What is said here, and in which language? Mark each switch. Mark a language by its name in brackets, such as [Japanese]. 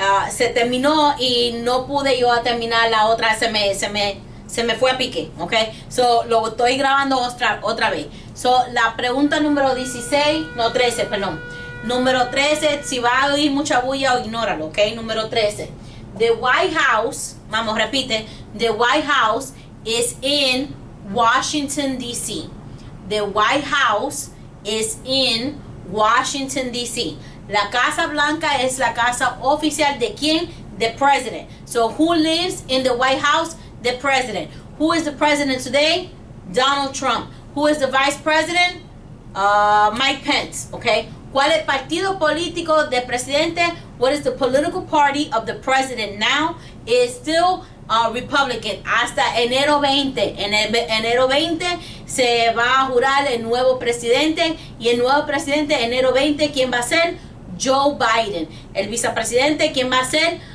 [Spanish] Se terminó y no pude yo a terminar la otra, se me fue a pique, ¿ok? So, lo estoy grabando otra vez. So, la pregunta número 16, no 13, perdón. Número 13, si va a oír mucha bulla, ignóralo, ¿ok? Número 13. The White House, vamos, repite. [English] The White House is in Washington, D.C. The White House is in Washington, D.C. [Spanish] La Casa Blanca es la casa oficial de quién? [English] The President. So, who lives in the White House? The President. Who is the President today? Donald Trump. Who is the Vice President? Mike Pence. Okay. [Spanish] ¿Cuál es el partido político del presidente? [English] What is the political party of the president now? It's still Republican. [Spanish] Hasta enero 20. En el enero 20 se va a jurar el nuevo presidente. Y el nuevo presidente, enero 20, ¿quién va a ser? Joe Biden, el vicepresidente, ¿quién va a ser?